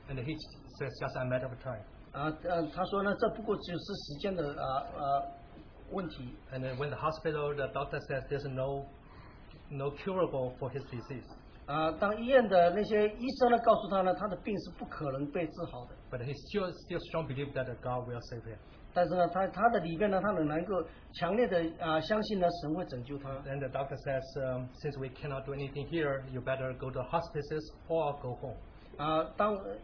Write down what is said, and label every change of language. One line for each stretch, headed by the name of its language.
English: And he says just a matter of time.
Chinese: 他说呢这不过只是时间的问题。
English: And when the hospital, the doctor says there's no curable for his disease.
Chinese: 当医院的那些医生呢告诉他呢，他的病是不可能被治好的。
English: But he still strong believe that God will save him.
Chinese: 但是呢，他的里面呢，他仍然够强烈的相信呢，神会拯救他。
English: Then the doctor says, since we cannot do anything here, you better go to hospices or go home.